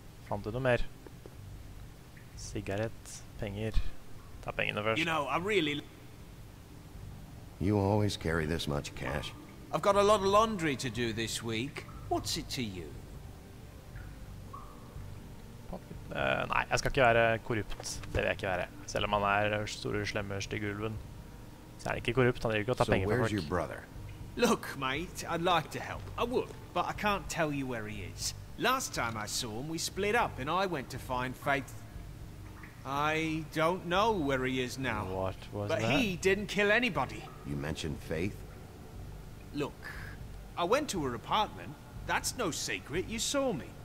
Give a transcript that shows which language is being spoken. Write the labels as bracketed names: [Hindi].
[Norwegian] Fant du noe mer? Sigarett, penger. Ta pengene først. [English] You know, I really... You always carry this much cash. I've got a lot of laundry to do this week. What's it to you? [Norwegian] Nei, jeg skal ikke være korrupt. Det vil jeg ikke være. Selv om han store, slemme, stygge ulven. Så han ikke korrupt, han vil ikke ta penger fra folk. [English] So where's your brother? Look, mate, I'd like to help. I would, but I can't tell you where he is. Last time I saw him, we split up and I went to find Faith. I don't know where he is now. What was but that? He didn't kill anybody. You mentioned Faith? Look, I went to her apartment. That's no secret. You saw me.